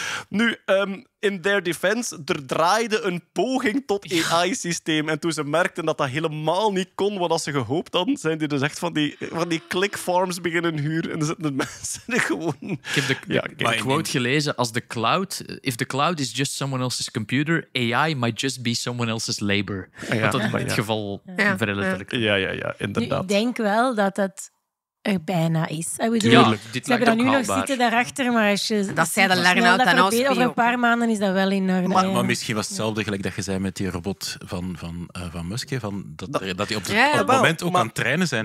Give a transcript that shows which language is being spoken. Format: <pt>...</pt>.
<nl>Nu,</nl> <en>in their defense,</en> <nl>er draaide een poging tot AI-systeem. En toen ze merkten dat dat helemaal niet kon wat ze gehoopt hadden, zijn die dus echt van die clickfarms beginnen huren. En dan zitten de mensen er gewoon... Ik heb de quote gelezen als de cloud...</nl> <en>If the cloud is just someone else's computer, AI might just be someone else's labor.</en> <nl>Ja, dat is in het geval verletterlijk. Ja, inderdaad. Nu, ik denk wel dat dat... er bijna is. Tuurlijk, ze hebben dat nu nog zitten daarachter, maar als je... Dat zei de lernout aan ons. Over een paar maanden is dat wel in orde. Maar misschien was hetzelfde gelijk dat je zei met die robot van Musk, van dat die op het moment ook aan het trainen zijn.</nl>